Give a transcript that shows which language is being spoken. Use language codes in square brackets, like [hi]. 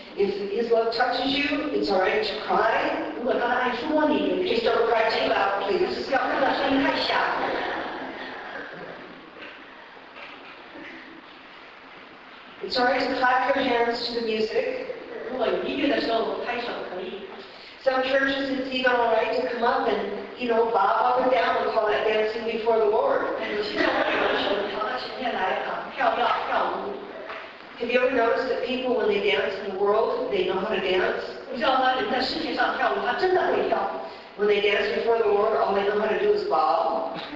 [en] if his love touches you, it's alright to cry. [zh] 如果他爱说你, [en] just don't cry too loud, please. [zh] 不要哭的声音太小。 [en] It's alright to clap your hands to the music. [zh] 如果有音乐的时候拍手可以。 [en] Some churches, it's even alright to come up and, you know, bob up and down and call that dancing before the Lord. [zh] 有些教会有的时候跑到前面来跳跳跳舞。 [en] Have you ever noticed that people, when they dance in the world, they know how to dance? [zh] 你知道吗？人在世界上跳舞，他真的会跳。 [en] When they dance before the Lord, all they know how to do is bow.